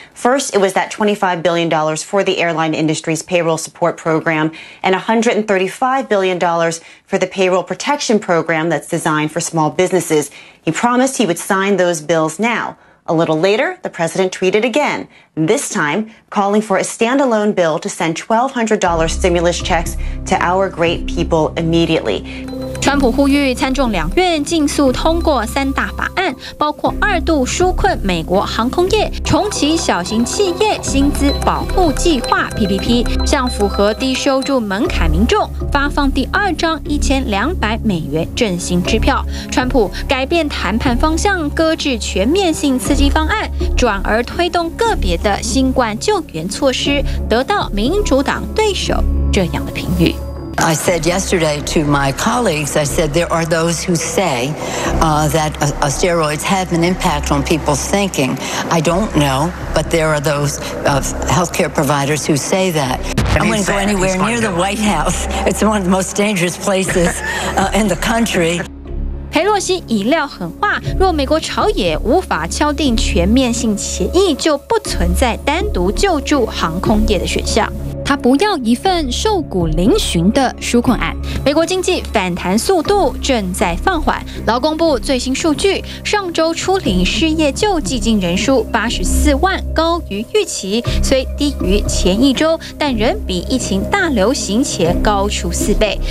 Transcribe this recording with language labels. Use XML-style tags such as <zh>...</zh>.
<en>First, it was that $25 billion for the airline industry's payroll support program and $135 billion for the payroll protection program that's designed for small businesses. He promised he would sign those bills now. A little later, the president tweeted again, this time calling for a standalone bill to send $1,200 stimulus checks to our great people immediately.</en> <zh>川普呼吁参众两院尽速通过三大法案，包括二度纾困美国航空业、重启小型企业薪资保护计划 PPP， 向符合低收入门槛民众发放第二张1200美元振兴支票。川普改变谈判方向，搁置全面性刺激方案，转而推动个别的新冠救援措施，得到民主党对手这样的评语。</zh> <en>I said yesterday to my colleagues, I said there are those who say that steroids have an impact on people's thinking. I don't know, but there are those healthcare providers who say that. I wouldn't go anywhere near the White House. It's one of the most dangerous places in the country.</en> <zh>佩洛西已撂狠话，若美国朝野无法敲定全面性协议，就不存在单独救助航空业的选项。他不要一份瘦骨嶙峋的纾困案。美国经济反弹速度正在放缓，劳工部最新数据，上周初领失业救济金人数84万，高于预期，虽低于前一周，但仍比疫情大流行前高出4倍。</zh>